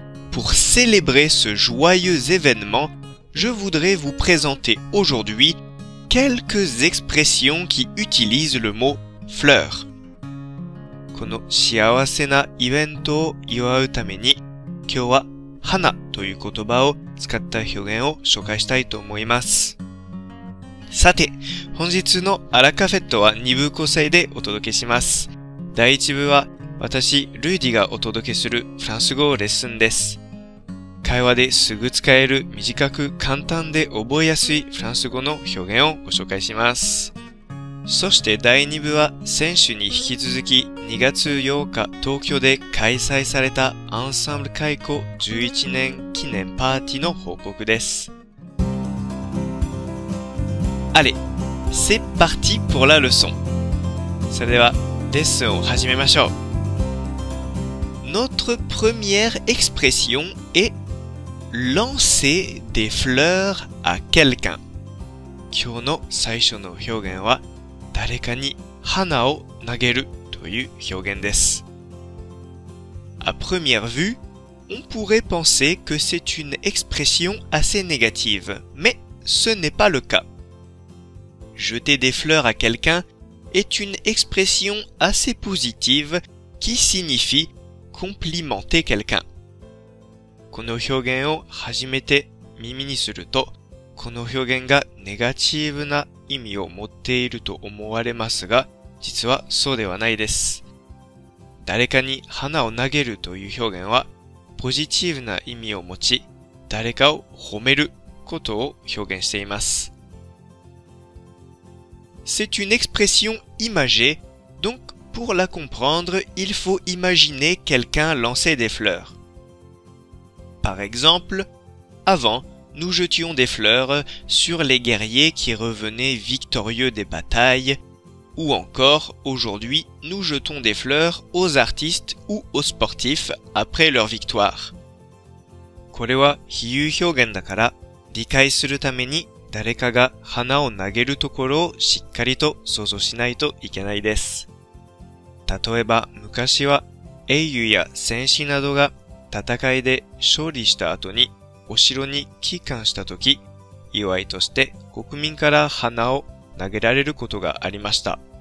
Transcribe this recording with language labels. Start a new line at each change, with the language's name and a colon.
French: Pour célébrer ce joyeux événement, je voudrais vous présenter aujourd'hui quelques expressions qui utilisent le mot fleur.
Japanese: この幸せなイベントを祝うために、今日は花という言葉を使った表現を紹介したいと思います。さて、本日のアラカフェットは2部構成でお届けします。第1部は私、ルーディがお届けするフランス語レッスンです。会話ですぐ使える短く簡単で覚えやすいフランス語の表現をご紹介します。そして第2部は先週に引き続き2月8日東京で開催されたアンサンブル開校11年記念パーティーの報告です。
French: Allez, c'est parti pour la leçon.
Japanese: それではレッスンを始めましょう。
French: Notre première expression est lancer des fleurs à quelqu'un.
Japanese: 今日の最初の表現は誰かに花を投げるという表現です。
French: À première vue, on pourrait penser que c'est une expression assez négative, mais ce n'est pas le cas. Jeter des fleurs à quelqu'un est une expression assez positive qui signifie complimenter quelqu'un.
Japanese: この表現を初めて耳にすると、この表現がネガティブな意味を持っていると思われますが、実はそうではないです。誰かに花を投げるという表現は、ポジティブな意味を持ち、誰かを褒めることを表現しています。
French: C'est une expression imagée, donc pour la comprendre, il faut imaginer quelqu'un lancer des fleurs. Par exemple, avant, nous jetions des fleurs sur les guerriers qui revenaient victorieux des batailles, ou encore, aujourd'hui, nous jetons des fleurs aux artistes ou aux sportifs après leur victoire.
Japanese: これは比喩表現だから、理解するために誰かが花を投げるところをしっかりと想像しないといけないです。例えば、昔は英雄や戦士などが戦いで勝利した後にお城に帰還した時、祝いとして国民から花を投げられることがありました。